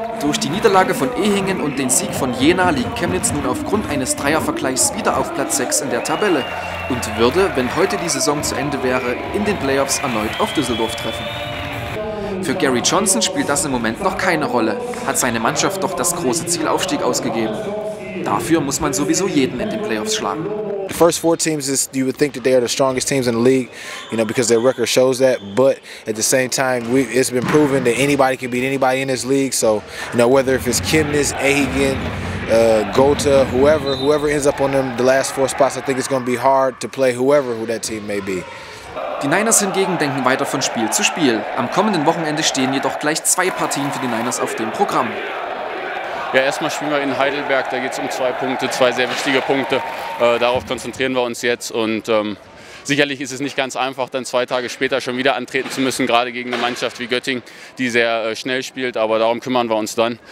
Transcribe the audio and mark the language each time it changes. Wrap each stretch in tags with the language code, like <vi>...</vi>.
<de>Durch die Niederlage von Ehingen und den Sieg von Jena liegt Chemnitz nun aufgrund eines Dreiervergleichs wieder auf Platz 6 in der Tabelle und würde, wenn heute die Saison zu Ende wäre, in den Playoffs erneut auf Düsseldorf treffen. Für Gary Johnson spielt das im Moment noch keine Rolle, hat seine Mannschaft doch das große Ziel Aufstieg ausgegeben. Dafür muss man sowieso jeden in den Playoffs schlagen.</de> <en>The first 4 teams is you would think that they are the strongest teams in the league, you know, because their record shows that. But at the same time, it's been proven that anybody can beat anybody in this league. So, you know, whether if it's Chemnitz, Ehingen, Gota, whoever ends up on them, the last four spots, I think it's going to be hard to play whoever who that team may be.</en> <de>Die Niners hingegen denken weiter von Spiel zu Spiel. Am kommenden Wochenende stehen jedoch gleich zwei Partien für die Niners auf dem Programm. Ja, erstmal spielen wir in Heidelberg, da geht es um zwei Punkte, zwei sehr wichtige Punkte. Darauf konzentrieren wir uns jetzt und sicherlich ist es nicht ganz einfach, dann zwei Tage später schon wieder antreten zu müssen, gerade gegen eine Mannschaft wie Göttingen, die sehr schnell spielt, aber darum kümmern wir uns dann.</de>